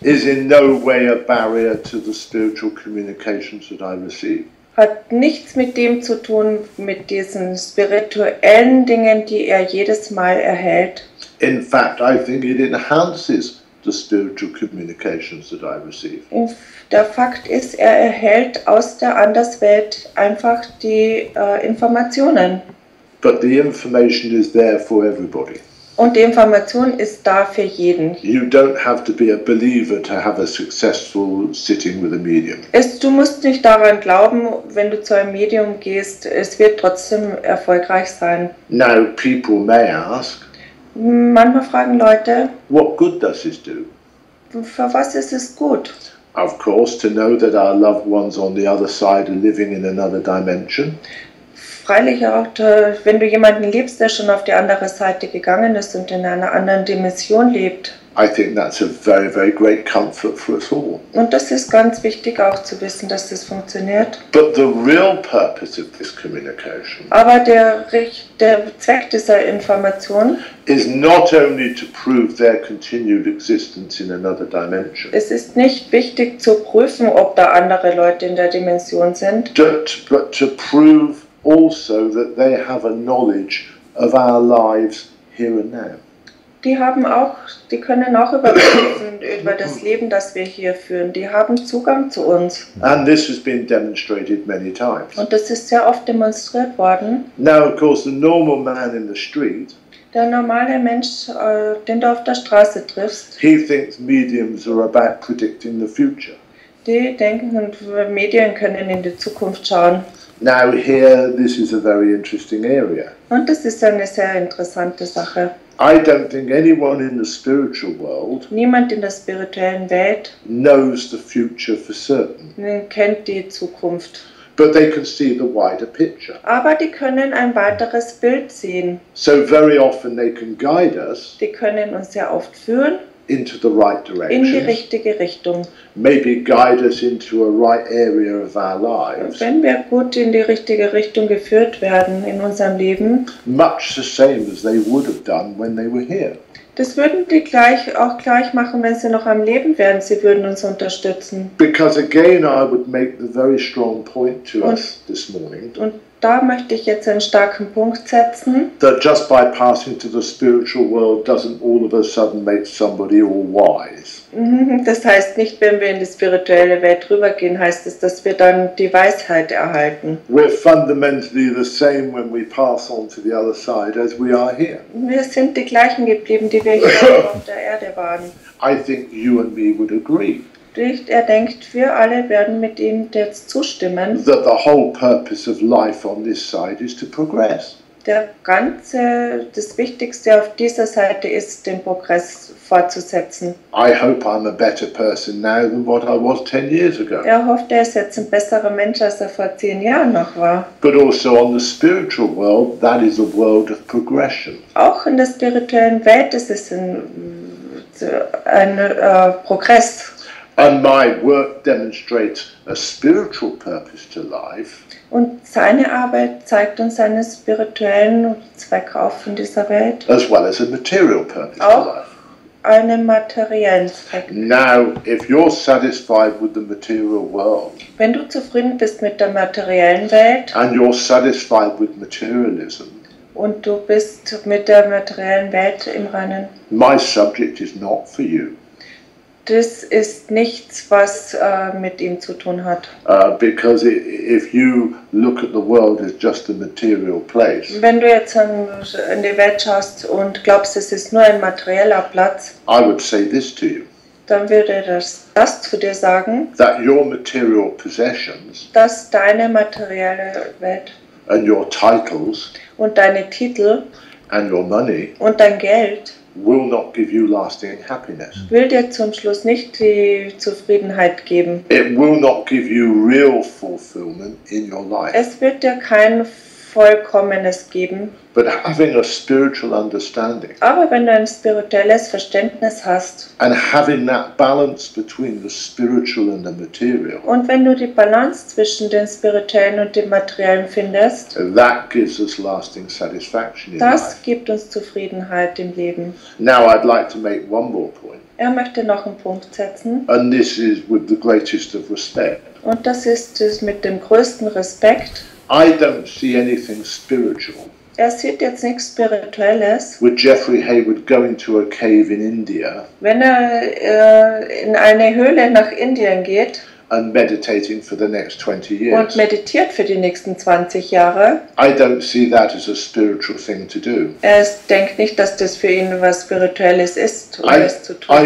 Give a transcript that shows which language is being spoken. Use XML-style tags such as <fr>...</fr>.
<en>is in no way a barrier to the spiritual communications that I receive.</en> <de>Hat nichts mit dem zu tun, mit diesen spirituellen Dingen, die er jedes Mal erhält.</de> <en>In fact, I think it enhances the spiritual communications that I receive.</en> <de>Der Fakt ist, er erhält aus der Anderswelt einfach die Informationen.</de> <en>But the information is there for everybody.</en> <de>Und die Information ist da für jeden.</de> <en>You don't have to be a believer to have a successful sitting with a medium.</en> <de>Du musst nicht daran glauben, wenn du zu einem Medium gehst, es wird trotzdem erfolgreich sein.</de> <en>Now people may ask.</en> <de>Manchmal fragen Leute.</de> <en>What good does this do?</en> <de>Für was ist es gut?</de> <en>Of course, to know that our loved ones on the other side are living in another dimension.</en> <de>Freilich auch, wenn du jemanden liebst, der schon auf die andere Seite gegangen ist und in einer anderen Dimension lebt.</de> <en>I think that's a very, very great comfort for us all.</en> <de>Und das ist ganz wichtig auch zu wissen, dass das funktioniert.</de> <en>But the real purpose of this communication</en> <de>aber der Zweck dieser Information</de> <en>is not only to prove their continued existence in another dimension.</en> <de>Es ist nicht wichtig zu prüfen, ob da andere Leute in der Dimension sind.</de> <en>But to prove also that they have a knowledge of our lives here and now.</en> <de>Die können auch überprüfen über das Leben, das wir hier führen. Die haben Zugang zu uns.</de> <en>And this has been demonstrated many times.</en> <de>Und das ist sehr oft demonstriert worden.</de> <en>Now, of course, the normal man in the street,</en> <de>der normale Mensch, den du auf der Straße triffst,</de> <en>he thinks mediums are about predicting the future.</en> <de>Die denken, Medien können in die Zukunft schauen.</de> <en>Now here, this is a very interesting area.</en> <de>Und das ist eine sehr interessante Sache.</de> <en>I don't think anyone in the spiritual world</en> <de>niemand in der spirituellen Welt</de> <en>knows the future for certain.</en> <de>Kennt die Zukunft.</de> <en>But they can see the wider picture.</en> <de>Aber die können ein weiteres Bild sehen.</de> <en>So very often they can guide us.</en> <de>Die können uns sehr oft führen.</de> <en>Into the right direction.</en> <de>In die richtige Richtung.</de> <en>Maybe guide us into a right area of our lives.</en> <de>Und wenn wir gut in die richtige Richtung geführt werden in unserem Leben.</de> <en>Much the same as they would have done when they were here.</en> <de>Das würden die gleich machen, wenn sie noch am Leben wären. Sie würden uns unterstützen.</de> <en>Because again, I would make the very strong point to us this morning.</en> <de>Und da möchte ich jetzt einen starken Punkt setzen.</de> <en>That just by passing to the spiritual world doesn't all of a sudden make somebody all wise.</en> <de>Das heißt nicht, wenn wir in die spirituelle Welt rübergehen, heißt es, dass wir dann die Weisheit erhalten.</de> <en>We're fundamentally the same when we pass on to the other side as we are here.</en> <de>Wir sind die gleichen geblieben, die wir hier auf der Erde waren.</de> <en>I think you and me would agree.</en> <de>Er denkt, wir alle werden mit ihm jetzt zustimmen.</de> <en>That the whole purpose of life on this side is to progress.</en> <de>Das Wichtigste auf dieser Seite ist, den Progress fortzusetzen.</de> <en>I hope I'm a better person now than what I was 10 years ago.</en> <de>Er hofft, er ist jetzt ein besserer Mensch, als er vor 10 Jahren noch war.</de> <en>But also on the spiritual world, that is a world of progression.</en> <de>Auch in der spirituellen Welt ist es ein Progress.</de> <en>And my work demonstrates a spiritual purpose to life.</en> <de>Und seine Arbeit zeigt uns einen spirituellen Zweck auf in dieser Welt.</de> <en>As well as a material purpose</en> <de>auch</de> <en>to life.</en> <de>Einen materiellen Zweck.</de> <en>Now, if you're satisfied with the material world,</en> <de>wenn du zufrieden bist mit der materiellen Welt,</de> <en>and you're satisfied with materialism,</en> <de>und du bist mit der materiellen Welt im Reinen,</de> <en>my subject is not for you.</en> <de>Das ist nichts, was mit ihm zu tun hat.</de> <en>Because if you look at the world as just a material place.</en> <de>Wenn du jetzt in die Welt schaust und glaubst, es ist nur ein materieller Platz.</de> <en>I would say this to you.</en> <de>Dann würde das zu dir sagen.</de> <en>That your material possessions.</en> <de>Dass deine materielle Welt.</de> <en>And your titles.</en> <de>Und deine Titel.</de> <en>And your money.</en> <de>Und dein Geld.</de> <en>Will not give you lasting happiness.</en> <de>Will dir zum Schluss nicht die Zufriedenheit geben.</de> <en>It will not give you real fulfillment in your life.</en> <de>Es wird dir kein Vollkommenes geben.</de> <en>But having a spiritual understanding.</en> <de>Aber wenn du ein spirituelles Verständnis hast.</de> <en>And having that balance between the spiritual and the material.</en> <de>Und wenn du die Balance zwischen dem spirituellen und dem materiellen findest.</de> <en>That gives us lasting satisfaction in life.</en> <de>Das gibt uns Zufriedenheit im Leben.</de> <en>Now I'd like to make one more point.</en> <de>Er möchte noch einen Punkt setzen.</de> <en>And this is with the greatest of respect.</en> <de>Und das ist es mit dem größten Respekt.</de> <en>I don't see anything spiritual.</en> <de>Er sieht jetzt nichts Spirituelles.</de> <en>With Jeffrey Hayward going to a cave in India.</en> <de>Wenn er in eine Höhle nach Indien geht.</de> <en>And meditating for the next 20 years.</en> <de>Und meditiert für die nächsten 20 Jahre.</de> <en>I don't see that as a spiritual thing to do.</en> <de>Er denkt nicht, dass das für ihn was Spirituelles ist, es zu tun.</de>